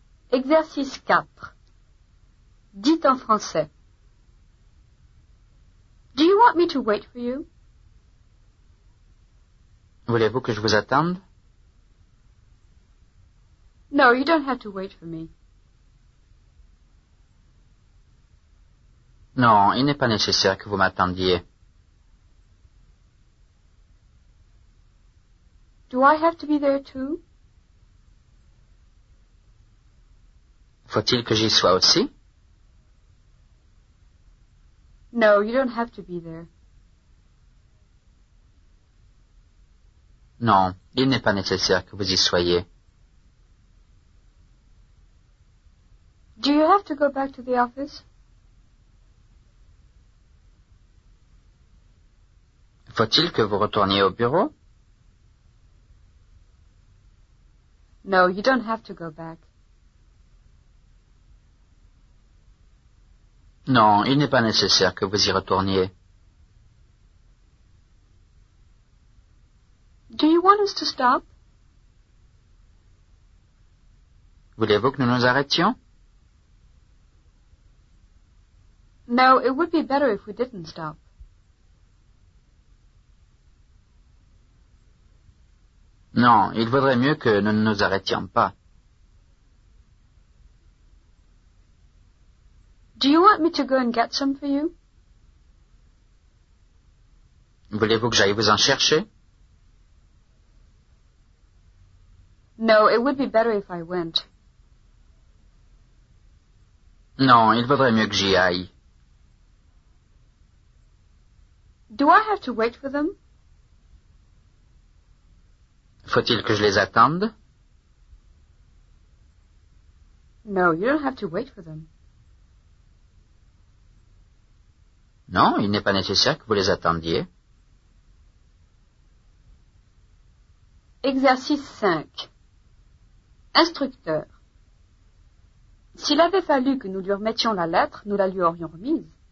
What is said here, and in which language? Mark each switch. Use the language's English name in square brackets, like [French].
[French] Exercice 4. Dites en français. [English] Do you want me to wait for you? [French] Voulez-vous que je vous attende? [English] No, you don't have to wait for me. [French] Non, il n'est pas nécessaire que vous m'attendiez. [English] Do I have to be there too? [French] Faut-il que j'y sois aussi? [English] No, you don't have to be there. [French] Non, il n'est pas nécessaire que vous y soyez. [English] Do you have to go back to the office? [French] Faut-il que vous retourniez au bureau? [English] No, you don't have to go back. [French] Non, il n'est pas nécessaire que vous y retourniez. [English] Do you want us to stop? [French] Voulez-vous que nous nous arrêtions? [English] No, it would be better if we didn't stop. [French] Non, il vaudrait mieux que nous ne nous arrêtions pas. [English] Do you want me to go and get some for you? [French] Voulez-vous que j'aille vous en chercher? [English] No, it would be better if I went. [French] Non, il vaudrait mieux que j'y aille. [English] Do I have to wait for them? [French] Faut-il que je les attende? [English] No, you don't have to wait for them. [French] Non, il n'est pas nécessaire que vous les attendiez. Exercice 5. Instructeur. S'il avait fallu que nous lui remettions la lettre, nous la lui aurions remise.